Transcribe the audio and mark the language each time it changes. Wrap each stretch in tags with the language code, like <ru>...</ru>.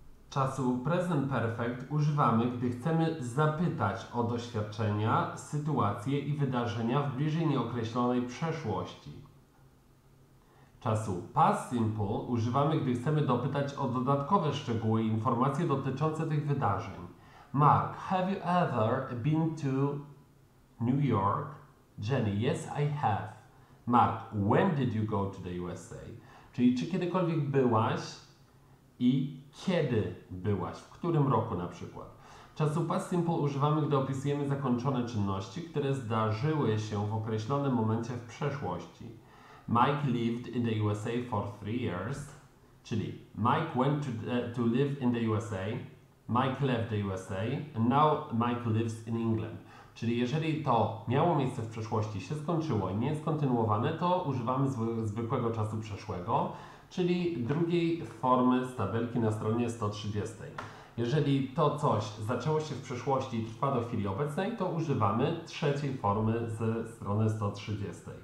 <pl>Czasu present perfect używamy, gdy chcemy zapytać o doświadczenia, sytuacje i wydarzenia w bliżej nieokreślonej przeszłości. Czasu past simple używamy, gdy chcemy dopytać o dodatkowe szczegóły i informacje dotyczące tych wydarzeń.</pl> <en>Mark, have you ever been to New York? Jenny, yes, I have. Mark, when did you go to the USA?</en> <pl>Czyli czy kiedykolwiek byłaś i kiedy byłaś, w którym roku na przykład. Czasu past simple używamy, gdy opisujemy zakończone czynności, które zdarzyły się w określonym momencie w przeszłości.</pl> <en>Mike lived in the USA for 3 years. Czyli Mike went to live in the USA. Mike left the USA. And now Mike lives in England.</en> <pl>Czyli jeżeli to miało miejsce w przeszłości, się skończyło i nie jest kontynuowane, to używamy zwykłego czasu przeszłego, czyli drugiej formy z tabelki na stronie 130. Jeżeli to coś zaczęło się w przeszłości i trwa do chwili obecnej, to używamy trzeciej formy ze strony 130.</pl>